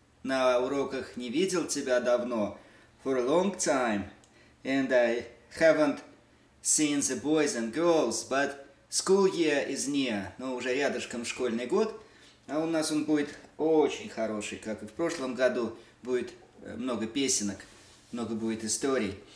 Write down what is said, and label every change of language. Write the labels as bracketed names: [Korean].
[Russian] На уроках не видел тебя давно. [English] For a long time. And I haven't seen the boys and girls, but school year is near. [Russian] Но уже рядышком школьный год. А у нас он будет очень хороший, как и в прошлом году. Будет много песенок, много будет историй.